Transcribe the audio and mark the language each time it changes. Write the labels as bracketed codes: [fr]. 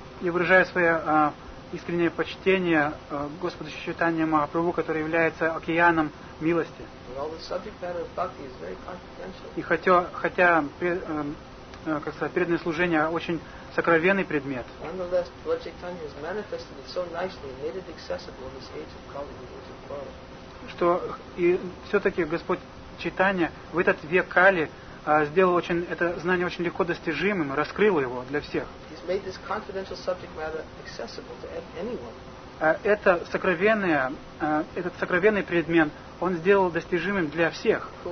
[ru] Я выражаю свое искреннее почтение Господу Шри Чайтанья Махапрабху, который является океаном милости. [en] Although the subject matter of bhakti is very confidential. [ru] И хотя как сказать, преданное служение очень сокровенный предмет. [en] Nonetheless, Lord Chaitanya has manifested it so nicely and made it accessible in this age of Kali, the age of Kali. [ru] Что и все-таки Господь Чайтанья в этот век Кали сделал очень это знание очень легко достижимым, раскрыл его для всех. Этот сокровенный предмет он сделал достижимым для всех.